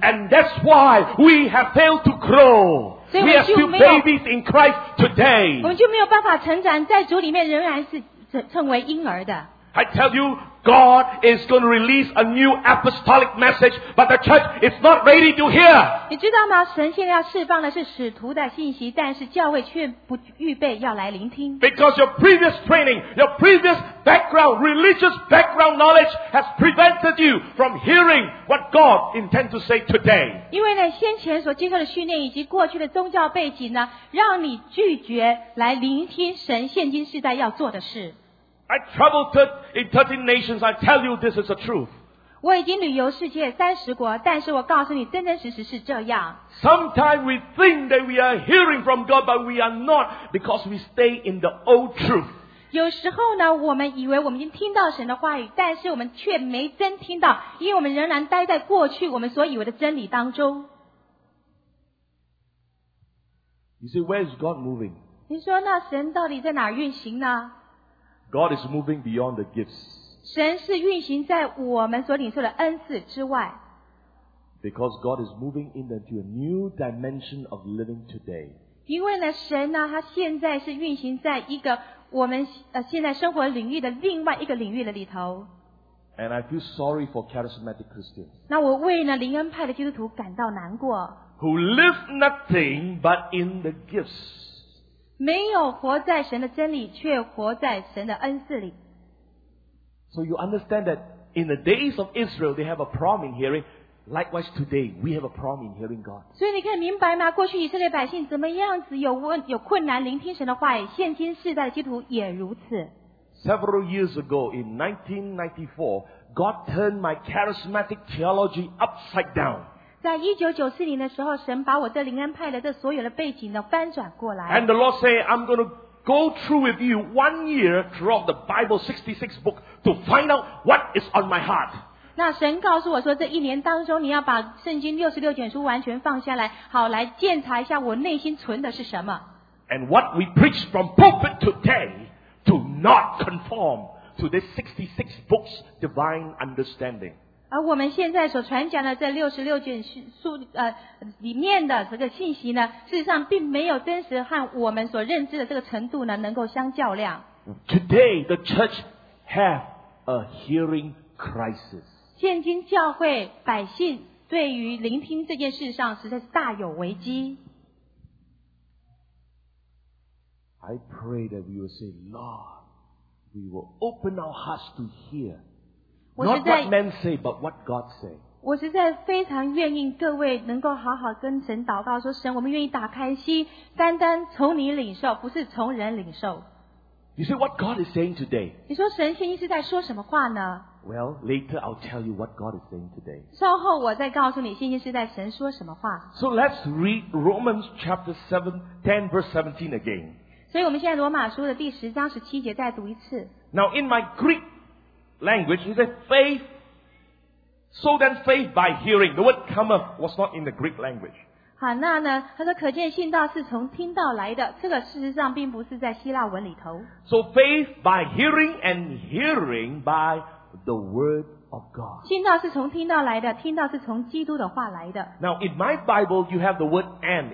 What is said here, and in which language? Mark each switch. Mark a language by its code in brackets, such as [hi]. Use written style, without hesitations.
[en] And that's why we have failed to grow. We are still babies in Christ today. [zh] 我们就没有办法成长，在主里面仍然是成为婴儿的。 [en] I tell you, God is going to release a new apostolic message, but the church is not ready to hear. [zh] 你知道吗？神现在要释放的是使徒的信息，但是教会却不预备要来聆听。 [en] Because your previous training, your previous background, religious background knowledge has prevented you from hearing what God intends to say today. [zh] 因为呢，先前所接受的训练以及过去的宗教背景呢，让你拒绝来聆听神现今世代要做的事。 [en] I traveled in 13 nations. I tell you this is the truth. [zh] 我已经旅游世界30国，但是我告诉你，真真实实是这样。 [en] Sometimes we think that we are hearing from God, but we are not because we stay in the old truth. [zh] 有时候呢，我们以为我们已经听到神的话语，但是我们却没真听到，因为我们仍然待在过去我们所以为的真理当中。 [en] You say, where is God moving? [zh] 你说那神到底在哪儿运行呢？ [en] God is moving beyond the gifts. [zh] 神是运行在我们所领受的恩赐之外。 [en] Because God is moving into a new dimension of living today. [zh] 因为呢，神呢，他现在是运行在一个我们现在生活领域的另外一个领域的里头。 [en] And I feel sorry for charismatic Christians. [zh] 那我为呢灵恩派的基督徒感到难过。 [en] Who live nothing but in the gifts. [zh] 没有活在神的真理，却活在神的恩赐里。 [en] So you understand that in the days of Israel, they have a problem in hearing. Likewise, today we have a problem in hearing God. [zh] 所以你可以明白吗？过去以色列百姓怎么样子有困难聆听神的话语，现今世代的基督徒也如此。 [en] Several years ago, in 1994, God turned my charismatic theology upside down. [zh] 在1994年的时候，神把我这灵恩派的这所有的背景呢翻转过来。 [en] And the Lord said, I'm going to go through with you 1 year throughout the Bible 66 book to find out what is on my heart. [zh] 那神告诉我说，这一年当中你要把圣经66卷书完全放下来，好来检查一下我内心存的是什么。 [en] And what we preach from pulpit today do not conform to this 66 book's divine understanding. [zh] 而我们现在所传讲的这66卷书里面的这个信息呢，事实上并没有真实和我们所认知的这个程度呢能够相较量。 [en] Today the church have a hearing crisis. [zh] 现今教会百姓对于聆听这件事上实在是大有危机。 [en] I pray that we will say, Lord, we will open our hearts to hear. Not what men say, but what God say. [zh] 我实在非常愿意各位能够好好跟神祷告，说神，我们愿意打开心，单单从你领受，不是从人领受。 [en] You say what God is saying today? [zh] 你说神现今是在说什么话呢？ [en] Well, later I'll tell you what God is saying today. [zh] 稍后我再告诉你现今是在神说什么话。 [en] So let's read Romans chapter 10 verse 17 again. [zh] 所以我们现在罗马书的第十章十七节再读一次。 [en] Now in my Greek. Language, he said, faith, so then faith by hearing. The word cometh was not in the Greek language. [zh] 好，那呢，他说可见信道是从听到来的，这个事实上并不是在希腊文里头。 [en] So faith by hearing and hearing by the word of God. [zh] 信道是从听到来的，听道是从基督的话来的。 [en] Now in my Bible, you have the word and.